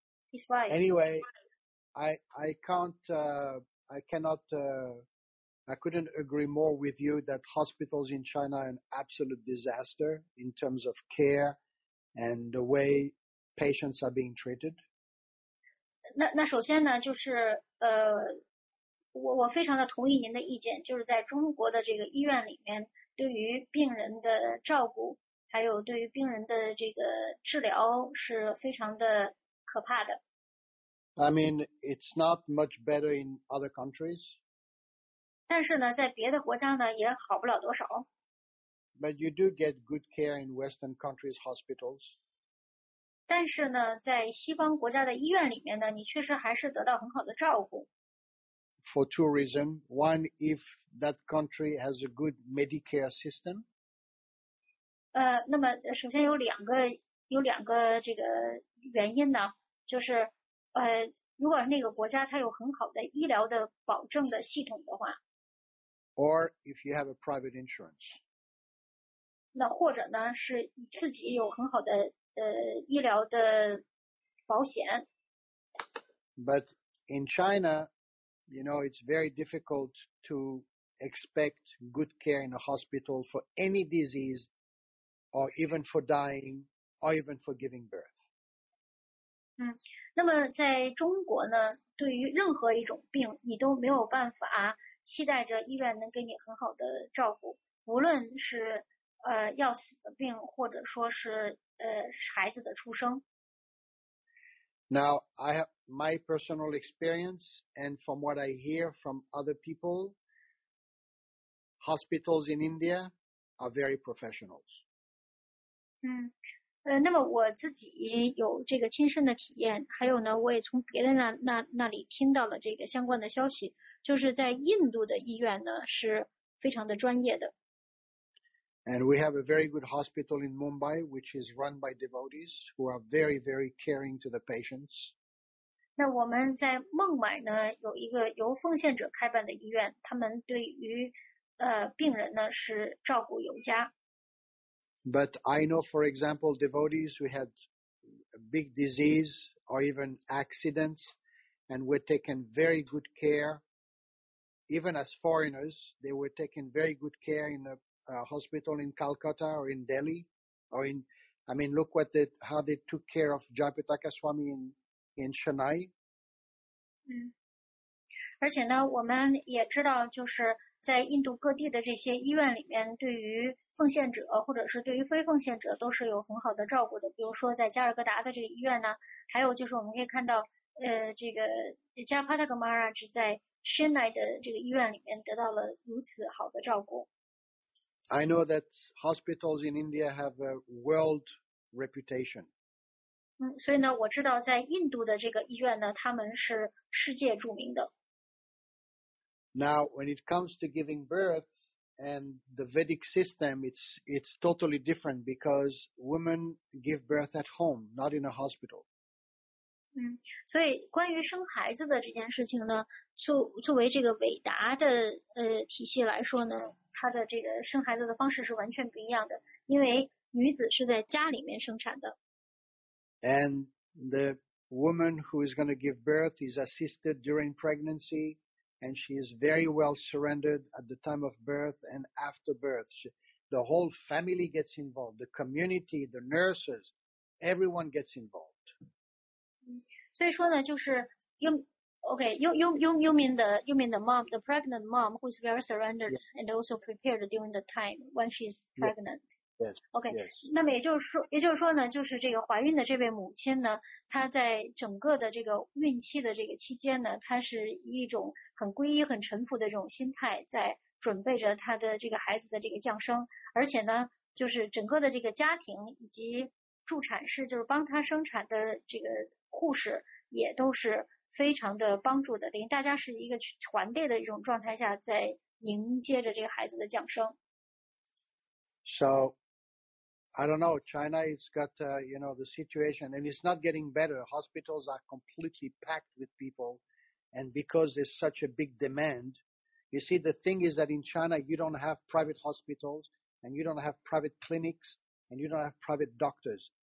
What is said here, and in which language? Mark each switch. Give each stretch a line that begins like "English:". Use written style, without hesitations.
English: He's fine. Anyway, I couldn't agree more with you that hospitals in China are an absolute disaster in terms of care and the way patients are being treated.
Chinese: 那首先呢，就是我非常的同意您的意见，就是在中国的这个医院里面，对于病人的照顾，还有对于病人的这个治疗是非常的可怕的。
English: I mean, it's not much better in other countries.
Chinese: 但是呢，在别的国家呢，也好不了多少。
English: But you do get good care in Western countries' hospitals.
Chinese: 但是呢，在西方国家的医院里面呢，你确实还是得到很好的照顾。
English: For two reasons. One, if that country has a good Medicare system.
Chinese: 那么首先有两个这个原因呢，就是如果那个国家它有很好的医疗的保证的系统的话
English: ，or if you have a private insurance，
Chinese: 那或者呢是自己有很好的医疗的保险。
English: But in China, you know, it's very difficult to expect good care in a hospital for any disease, or even for dying, or even for giving birth.
Chinese: 那么在中国呢，对于任何一种病，你都没有办法期待着医院能给你很好的照顾，无论是要死的病，或者说是孩子的出生。
English: Now I have my personal experience, and from what I hear from other people, hospitals in India are very professionals.
Chinese: 那么我自己有这个亲身的体验，还有呢，我也从别人那里听到了这个相关的消息，就是在印度的医院呢是非常的专业的。
English: And we have a very good hospital in Mumbai, which is run by devotees who are very, very caring to the patients.
Chinese: 那我们在孟买呢有一个由奉献者开办的医院，他们对于病人呢是照顾有加。
English: But I know, for example, devotees who had a big disease or even accidents and were taken very good care. Even as foreigners, they were taken very good care in a hospital in Calcutta or in Delhi. Look what how they took care of Jayaprataka Swami in Chennai.
Chinese: 而且呢，我们也知道，就是在印度各地的这些医院里面，对于奉献者或者是对于非奉献者都是有很好的照顾的。比如说在加尔各答的这个医院呢，还有就是我们可以看到，这个加帕塔格玛拉只在申奈的这个医院里面得到了如此好的照顾。
English: I know that hospitals in India have a world reputation.
Chinese: 所以呢，我知道在印度的这个医院呢，他们是世界著名的。
English: Now, when it comes to giving birth. And the Vedic system, it's totally different because women give birth at home, not in a hospital.
Chinese: 所以关于生孩子的这件事情呢，作为这个韦达的体系来说呢，它的这个生孩子的方式是完全不一样的，因为女子是在家里面生产的。
English: And the woman who is going to give birth is assisted during pregnancy. And she is very well surrendered at the time of birth and after birth. The whole family gets involved, the community, the nurses, everyone gets involved.
Chinese: 所以说呢，就是
English: you mean the mom, the pregnant mom who is very surrendered、 yes. and also prepared during the time when she is pregnant. Yes. Yes. Okay. Yes.
Chinese: 那么也就是说呢，就是这个怀孕的这位母亲呢，她在整个的这个孕期的这个期间呢，她是一种很皈依、很臣服的这种心态，在准备着她的这个孩子的这个降生。而且呢，就是整个的这个家庭以及助产士，就是帮她生产的这个护士，也都是非常的帮助的，等于大家是一个团队的一种状态下在迎接着这个孩子的降生。
English: So, I don't know, China has got, you know, the situation, and it's not getting better. Hospitals are completely packed with people, and because there's such a big demand, you see, the thing is that in China, you don't have private hospitals, and you don't have private clinics, and you don't have private doctors.